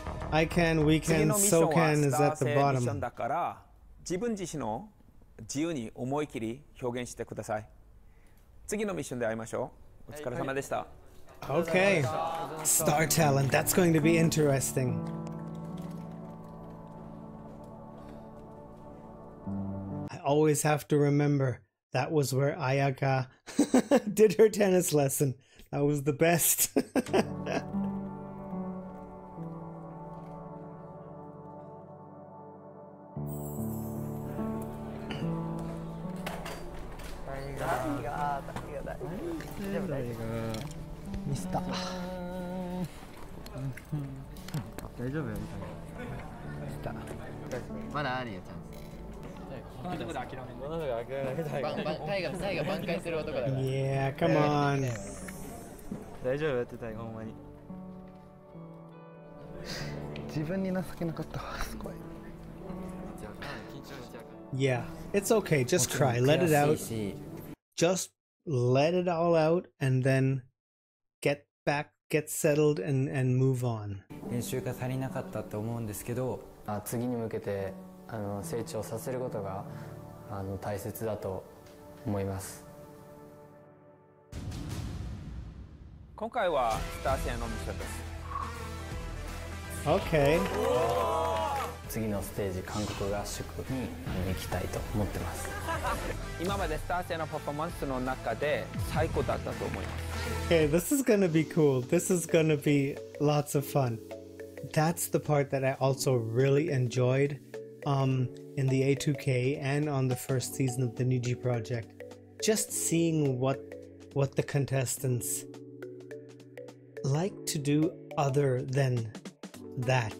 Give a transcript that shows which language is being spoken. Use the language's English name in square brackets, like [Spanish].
[English] I can, we can, so can is at the bottom. [Japanese] 自分自身の自由に思い切り表現してください。次のミッションで会いましょう。お疲れ様でした。 [English] Okay. Star talent. That's going to be interesting. I always have to remember that was where Ayaka did her tennis lesson. That was the best. [Japanese] ミスター大丈夫よ、ミスターまだあるよ、チャンスこのとこで諦めこのとこで諦めたいタイガ、タイガ挽回する男だからいやー、カモーン大丈夫やってたよ、ほんまに自分に情けなかったわ、すごい [English] Yeah, it's okay, just cry, let it out JustLet it all out and then get back, get settled and move on. [Japanese] 練習が足りなかったと思うんですけど、次に向けて成長させることが大切だと思います。今回はスター性のミッションです。 [English] Okay. [Japanese] 次のステージ韓国合宿に行きたいと思ってます。今までスター性のパフォーマンスの中で最高だったと思います。 [English] Okay, this is gonna be cool. This is gonna be lots of fun. That's the part that I also really enjoyed in the A2K and on the first season of the NIZI Project. Just seeing what the contestants like to do other than that.